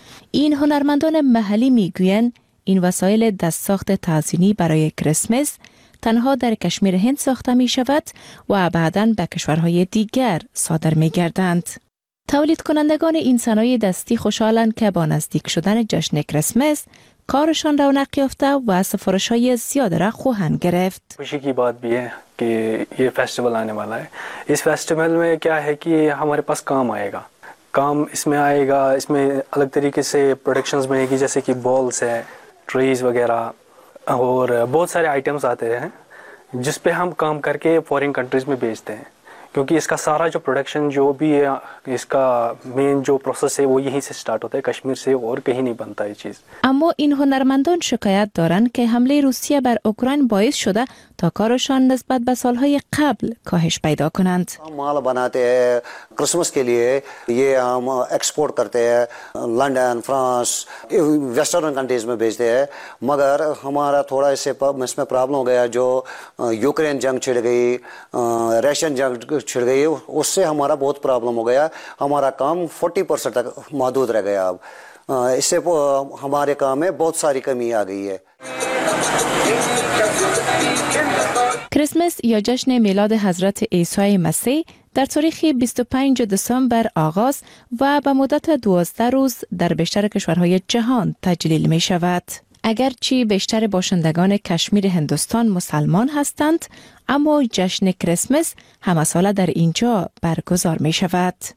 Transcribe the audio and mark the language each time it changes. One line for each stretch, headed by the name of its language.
Persian: این هنرمندان محلی می‌گویند این وسایل دست ساخت تزیینی برای کریسمس تنها در کشمیر هند ساخته می‌شود و بعداً به کشورهای دیگر صادر می‌گردند. تولید کنندگان این صنایع دستی خوشحالند که با نزدیک شدن جشن کریسمس کارشان رونق یافته و سفارش های زیاد را خواهند گرفت.
Urdu: خوشی کی بات بیه که یه فستیوال آنے والا ہے. اس فستیوال میں کیا ہے کہ ہمارے پاس کام آئے گا. کام اس میں آئے گا، اس میں الگ طریقے سے پروڈکشنز بنے گی، جیسے کہ بالز ہے، ٹریز وغیرہ اور بہت سارے آئٹمز آتے ہیں جس پہ ہم کام کر کے فورین کنٹریز میں بھیجتے ہیں، کیونکہ اس کا سارا جو پروڈکشن جو بھی ہے، اس کا مین جو پروسیس ہے وہ یہیں سے سٹارٹ ہوتا ہے، کشمیر سے اور کہیں نہیں بنتا یہ چیز.
Persian: اما ان هنرمندان شکایت دارن کہ حملے روسیہ بر اوکراین باعث شده تا کارشان نسبت به سالهای قبل کاهش پیدا کنند.
Urdu: ہم مال بناتے ہیں کرسمس کے لیے، یہ ہم ایکسپورٹ کرتے ہیں لندن، فرانس، ویسٹرن کنٹریز میں بھیجتے ہیں، مگر ہمارا تھوڑا اس میں پرابلم ہو گیا جو یوکرین جنگ چھڑ گئی، ریشن جنگ چھڑ گئی، اس سے ہمارا بہت پرابلم ہو گیا، ہمارا کام 40% تک محدود رہ گیا. اب اس سے ہمارے کام میں بہت ساری کمی آ گئی ہے.
Persian: کریسمس یا جشن میلاد حضرت عیسی مسیح در تاریخ 25 دسامبر آغاز و به مدت 12 روز در بیشتر کشورهای جهان تجلیل می شود. اگرچه بیشتر باشندگان کشمیر هندوستان مسلمان هستند، اما جشن کریسمس همه ساله در اینجا برگزار می شود.